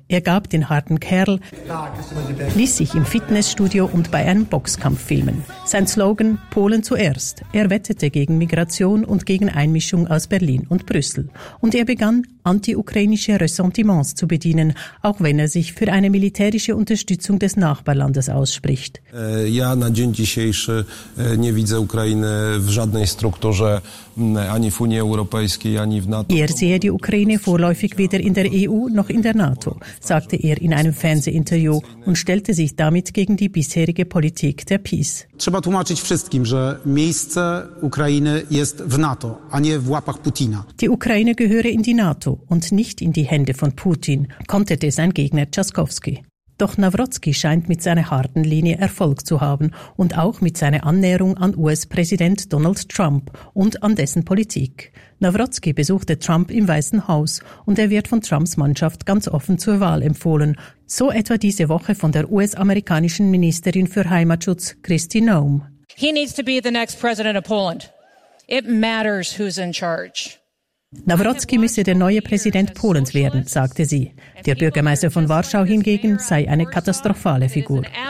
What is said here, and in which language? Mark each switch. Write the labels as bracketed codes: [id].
[de] Er gab den harten Kerl, ließ sich im Fitnessstudio und bei einem Boxkampf filmen. Sein Slogan: Polen zuerst. Er wettete gegen Migration und gegen Einmischung aus Berlin und Brüssel. Und er begann, anti-ukrainische Ressentiments zu bedienen, auch wenn er sich für eine militärische Unterstützung des Nachbarlandes ausspricht. [pl] Ja na dzień dzisiejszy nie widzę Ukrainy w żadnej strukturze ani w Unii Europejskiej, ani w NATO. [de] Er sehe die Ukraine vorläufig weder in der EU noch in der NATO, sagte er in einem Fernsehinterview und stellte sich damit gegen die bisherige Politik der PiS. [pl] Trzeba tłumaczyć wszystkim, że miejsce Ukrainy jest w NATO, a nie w łapach Putina. [de] Die Ukraine gehöre in die NATO und nicht in die Hände von Putin, konterte sein Gegner Trzaskowski. Doch Nawrocki scheint mit seiner harten Linie Erfolg zu haben und auch mit seiner Annäherung an US-Präsident Donald Trump und an dessen Politik. Nawrocki besuchte Trump im Weißen Haus und er wird von Trumps Mannschaft ganz offen zur Wahl empfohlen. So etwa diese Woche von der US-amerikanischen Ministerin für Heimatschutz, Kristi Noem. [en] He needs to be the next president of Poland. It matters who's in charge. [de] Nawrocki müsse der neue Präsident Polens werden, sagte sie. Der Bürgermeister von Warschau hingegen sei eine katastrophale Figur.